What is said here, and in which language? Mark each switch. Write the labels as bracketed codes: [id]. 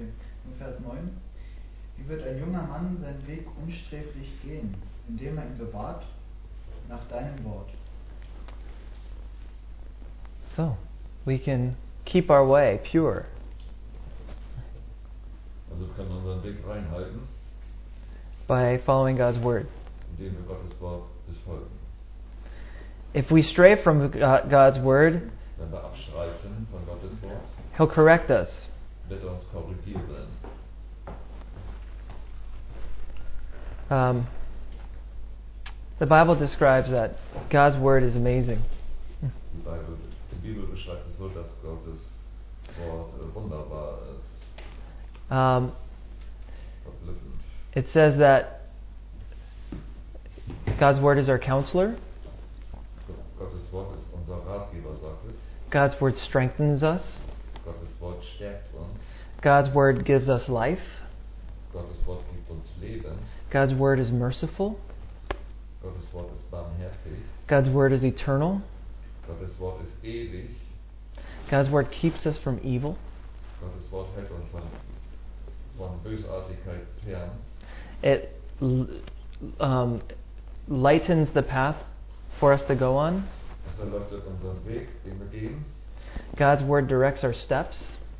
[de] In Vers 9. Wie wird ein junger Mann seinen Weg unsträflich gehen, indem er ihn bewahrt nach deinem Wort? [en] So, we can keep our way pure. [de] Also wir können unseren Weg reinhalten. [en] By following God's word. [de] Indem wir Gottes Wort. [en] If we stray from God's word, [de] wenn wir abschweifen von Gottes Wort, [en] he'll correct us. [de] Wird er uns korrigieren. [en] The Bible describes that God's word is amazing. [de] Die Bibel beschreibt es so, dass Gottes Wort wunderbar ist. [en] It says that God's word is our counselor. [de] Gottes Wort ist unser Ratgeber, sagt es. [en] God's word strengthens us. [de] Gottes Wort stärkt uns. [en] God's word gives us life. [de] Gottes Wort gibt uns Leben. [en] God's word is merciful. [de] Gottes Wort ist barmherzig. [en] God's word is eternal. [de] Gottes Wort ist ewig. [en] God's word keeps us from evil. [de] Gottes Wort hält uns von Bösartigkeit fern. [en] It lightens the path for us to go on. [de] Es erleuchtet unseren Weg, den wir gehen. [en] God's word directs our steps.